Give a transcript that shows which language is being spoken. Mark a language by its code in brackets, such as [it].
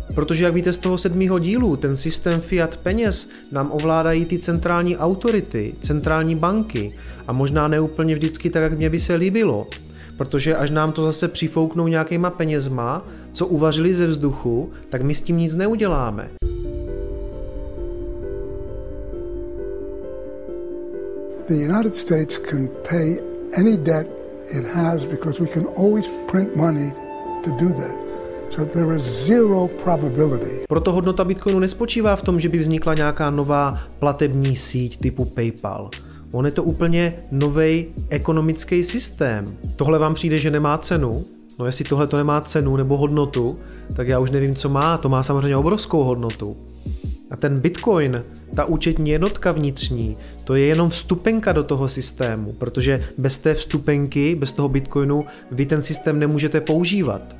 [cs] Protože jak víte z toho 7. dílu, ten systém fiat peněz nám ovládají ty centrální autority, centrální banky a možná ne úplně vždycky tak, jak mě by se líbilo. Protože až nám to zase přifouknou nějakýma penězma, co uvařili ze vzduchu, tak my s tím nic neuděláme. [en] The United States can pay any debt it has because we can always print money to do that. So there is zero probability. [cs] Proto hodnota Bitcoinu nespočívá v tom, že by vznikla nějaká nová platební síť typu PayPal. On je to úplně nový ekonomický systém. Tohle vám přijde, že nemá cenu? No jestli tohle to nemá cenu nebo hodnotu, tak já už nevím, co má. To má samozřejmě obrovskou hodnotu. A ten Bitcoin, ta účetní jednotka vnitřní, to je jenom vstupenka do toho systému, protože bez té vstupenky, bez toho Bitcoinu, vy ten systém nemůžete používat.